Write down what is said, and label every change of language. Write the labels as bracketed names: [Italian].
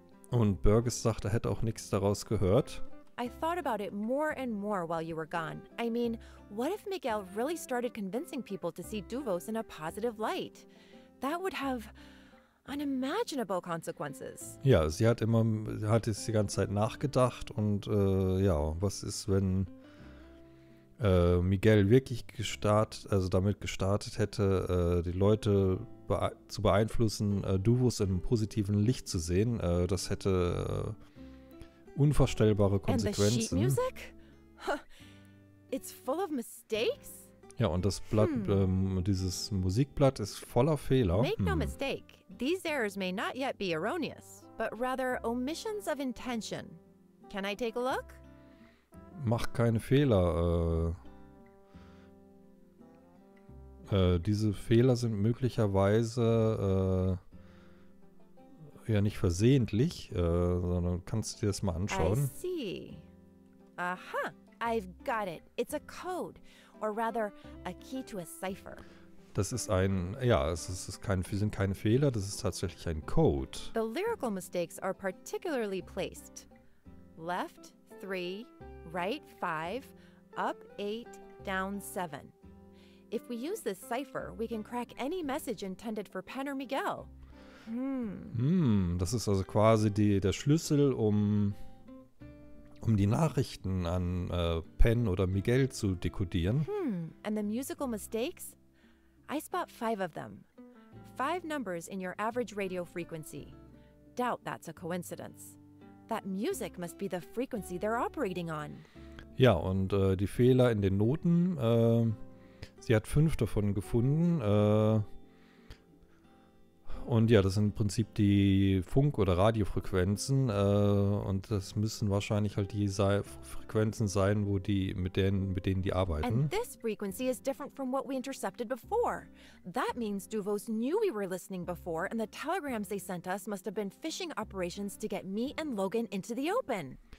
[German] Und Burgess sagt, er hätte auch nichts daraus gehört. [English] I thought about it more and more while you were gone. I mean, what if Miguel really started convincing people to see Duvos in a positive light? That would have unimaginable consequences. [German] Ja, sie hat die ganze Zeit nachgedacht und was ist, wenn Miguel wirklich damit gestartet hätte, die Leute zu beeinflussen, Duvos in einem positiven Licht zu sehen? Das hätte unvorstellbare Konsequenzen. [English] And the sheet music? It's full of mistakes? [German] Ja, und das Blatt, dieses Musikblatt ist voller Fehler. [English] Make no mistake. These errors may not yet be erroneous, but rather omissions of intention. Can I take a look? [German] Mach keine Fehler. Diese Fehler sind möglicherweise nicht versehentlich, sondern kannst du dir das mal anschauen? [English] I see. Aha, I've got it. It's a code, or rather a key to a cipher. [German] Das ist sind keine Fehler, das ist tatsächlich ein Code. [English] The lyrical mistakes are particularly placed. Left 3, right 5, up 8, down 7. If we use this cipher, we can crack any message intended for Pen or Miguel. [German] Das ist also quasi der Schlüssel, um die Nachrichten an Pen oder Miguel zu dekodieren. [English] And the musical mistakes? I spot 5 of them. 5 numbers in your average radio frequency. Doubt that's a coincidence. That music must be the frequency they're operating on. [German] Ja, und die Fehler in den Noten, sie hat 5 davon gefunden. Das sind im Prinzip die Funk- oder Radiofrequenzen. Und das müssen wahrscheinlich halt die Frequenzen sein, mit denen die arbeiten. [English] And this frequency is different from what we intercepted before. That means Duvos knew we were listening before and the telegrams they sent us must have been phishing operations to get me and Logan into the open.